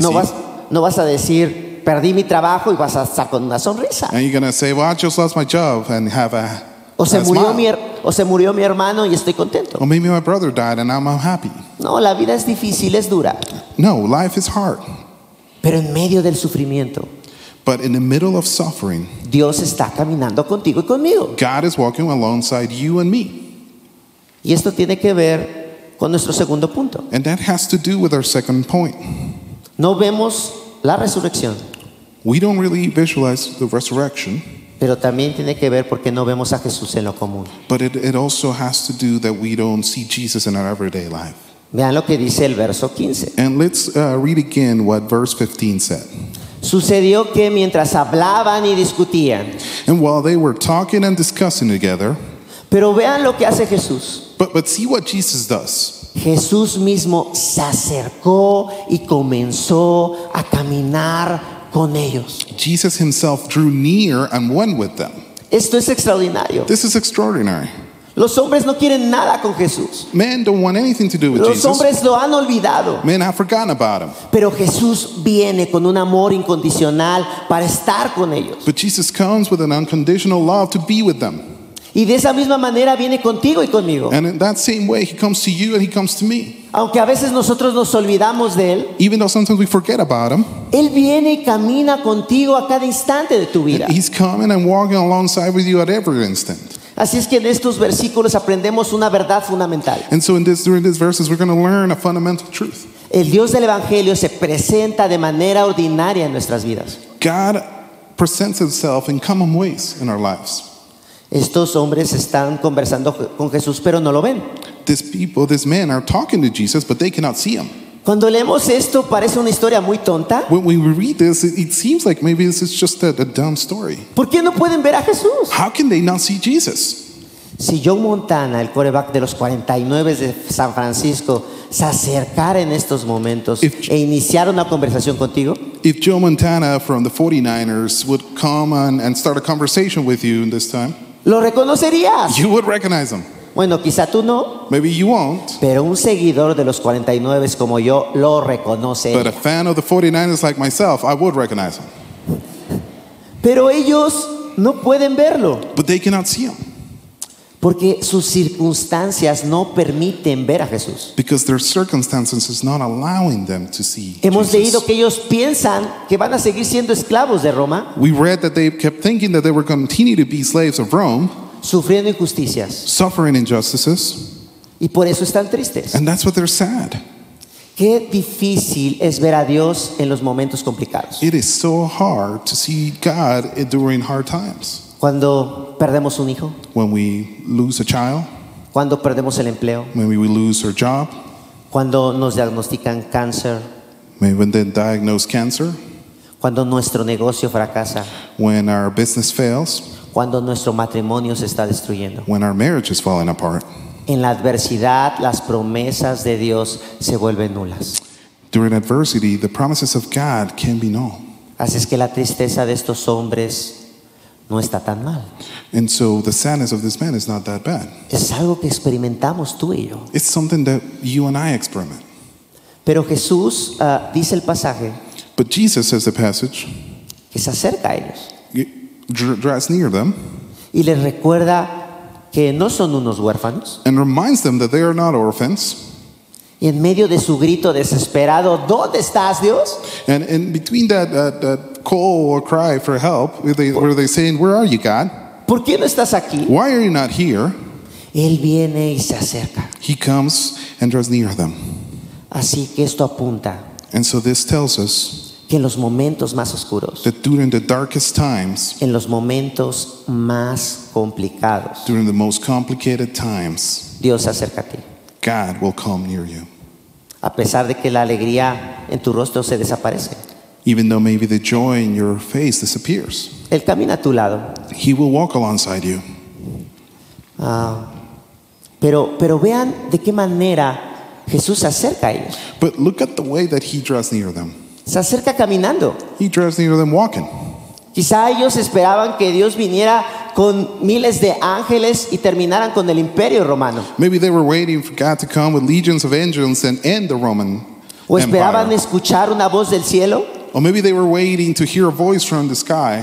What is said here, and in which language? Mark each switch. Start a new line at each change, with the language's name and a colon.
Spanish: No vas a decir, perdí mi trabajo y vas a estar con una sonrisa.
English: And you're going to say, well, I just lost my job and have a
Spanish: O se murió mi hermano y estoy contento.
English: Or maybe my brother died and I'm happy.
Spanish: No, la vida es difícil, es dura.
English: No, life is hard.
Spanish: Pero en medio del sufrimiento.
English: But in the middle of suffering,
Spanish: Dios está caminando contigo y conmigo.
English: God is walking alongside you and me.
Spanish: Y esto tiene que ver con nuestro segundo punto.
English: And that has to do with our second point.
Spanish: No vemos la resurrección.
English: We don't really visualize the resurrection.
Spanish: Pero también tiene que ver porque no vemos a Jesús en lo común.
English: But it also has to do that we don't see Jesus in our everyday life.
Spanish: Vean lo que dice el verso 15.
English: And let's read again what verse 15 said.
Spanish: Sucedió que mientras hablaban y discutían.
English: And while they were talking and discussing together.
Spanish: Pero vean lo que hace Jesús.
English: But see what Jesus does.
Spanish: Jesús mismo se acercó y comenzó a caminar con ellos.
English: Jesus himself drew near and went with them.
Spanish: Esto es extraordinario.
English: This is extraordinary.
Spanish: Los hombres no quieren nada con Jesús.
English: Men don't want anything to do with
Spanish: Los
English: Jesus.
Spanish: Los hombres lo han olvidado.
English: Men have forgotten about him.
Spanish: Pero Jesús viene con un amor incondicional para estar con ellos.
English: But Jesus comes with an unconditional love to be with them.
Spanish: Y de esa misma manera viene contigo y conmigo.
English: And in that same way, he comes to you and he comes to me.
Spanish: Aunque a veces nosotros nos olvidamos de él.
English: Even though sometimes we forget about him.
Spanish: Él viene y camina contigo a cada instante de tu vida.
English: He's coming and walking alongside with you at every instant.
Spanish: Así es que en estos versículos aprendemos una verdad fundamental.
English: And so during these verses, we're going to learn a fundamental truth.
Spanish: El Dios del Evangelio se presenta de manera ordinaria en nuestras vidas.
English: God presents himself in common ways in our lives.
Spanish: Estos hombres están conversando con Jesús, pero no lo ven.
English: These people, these men are talking to Jesus, but they cannot see him.
Spanish: Cuando leemos esto, parece una historia muy tonta.
English: When we read this, it seems like maybe this is just a dumb story.
Spanish: ¿Por qué no pueden ver a Jesús?
English: How can they not see Jesus?
Spanish: Si Joe Montana, el quarterback de los 49 de San Francisco, se acercara en estos momentos e iniciara una conversación contigo.
English: If Joe Montana from the 49ers would come and start a conversation with you in this time.
Spanish: Lo reconocerías.
English: You would recognize him.
Spanish: Bueno, quizá tú no.
English: Maybe you won't.
Spanish: Pero un seguidor de los 49 como yo lo reconoce.
English: But a fan of the 49ers like myself, I would recognize him.
Spanish: Pero ellos no pueden verlo.
English: But they cannot see him.
Spanish: Porque sus circunstancias no permiten ver a Jesús.
English: Because their circumstances is not allowing them to see Jesus.
Spanish: Hemos leído que ellos piensan que van a seguir siendo esclavos de Roma.
English: We read that they kept thinking that they were going to continue to be slaves of Rome.
Spanish: Sufriendo injusticias.
English: Suffering injustices.
Spanish: Y por eso están tristes.
English: And that's what they're sad.
Spanish: Qué difícil es ver a Dios en los momentos complicados.
English: It is so hard to see God during hard times.
Spanish: Cuando perdemos un hijo.
English: When we lose a child.
Spanish: Cuando perdemos el empleo.
English: Maybe we lose our job.
Spanish: Cuando nos diagnostican cáncer.
English: Maybe when they diagnose cancer.
Spanish: Cuando nuestro negocio fracasa.
English: When our business fails.
Spanish: Cuando nuestro matrimonio se está destruyendo.
English: When our marriage is falling apart.
Spanish: En la adversidad, las promesas de Dios se vuelven nulas.
English: During adversity, the promises of God can be null.
Spanish: Así es que la tristeza de estos hombres no está tan mal.
English: And so the sadness of this man is not that bad.
Spanish: Es algo que experimentamos tú y yo.
English: It's something that you and I experiment.
Spanish: Pero Jesús dice el pasaje.
English: But Jesus says the passage.
Spanish: Que se acerca a ellos.
English: Draws near them.
Spanish: Y les recuerda que no son unos huérfanos.
English: And reminds them that they are not orphans.
Spanish: Y en medio de su grito desesperado, ¿dónde estás, Dios?
English: And between that call or cry for help, were they saying, where are you, God?
Spanish: ¿Por qué no estás aquí?
English: Why are you not here?
Spanish: Él viene y se acerca.
English: He comes and draws near them.
Spanish: Así que esto apunta.
English: And so this tells us
Spanish: que en los momentos más oscuros,
English: that during the darkest times,
Spanish: en los momentos más complicados,
English: during the most complicated times,
Spanish: Dios se acerca a ti.
English: God will come near you.
Spanish: A pesar de que la alegría en tu rostro se desaparece.
English: Even though maybe the joy in your face disappears.
Spanish: Él camina a tu lado.
English: He will walk alongside you.
Spanish: Pero vean de qué manera Jesús se acerca a ellos.
English: But look at the way that he draws near them.
Spanish: Se acerca caminando.
English: He draws near them walking.
Spanish: Quizá ellos esperaban que Dios viniera con miles de ángeles y terminaran con el Imperio Romano.
English: Maybe they were waiting for God to come with legions of angels and end the Roman Empire.
Spanish: O esperaban escuchar una voz del cielo.
English: Or maybe they were waiting to hear a voice from the sky